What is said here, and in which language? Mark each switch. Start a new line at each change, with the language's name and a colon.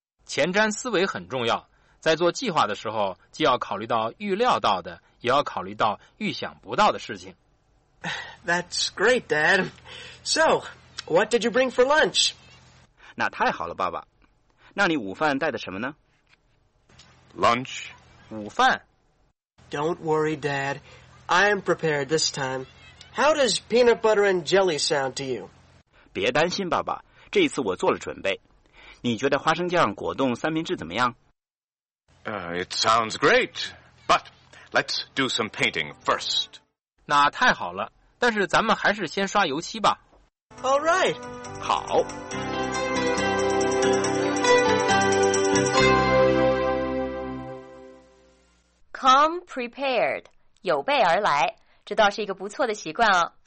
Chinese: 前瞻思维很重要，在做计划的时候既要考虑到预料到的，也要考虑到预想不到的事情。
English: That's great, Dad. So, what did you bring for lunch?
Chinese: 那太好了，爸爸。那你午饭带的什么呢？
English: Lunch.
Chinese: 午饭。
English: Don't worry, Dad. I am prepared this time. How does peanut butter and jelly sound to you?
Chinese: 别担心，爸爸。这一次我做了准备。你觉得花生酱果冻三明治怎么样？
English: It sounds great. But let's do some painting first.
Chinese: 那太好了。但是咱们还是先刷油漆吧。
English: All right.
Chinese: 好。
English: Come prepared，
Chinese: 有备而来，这倒是一个不错的习惯啊。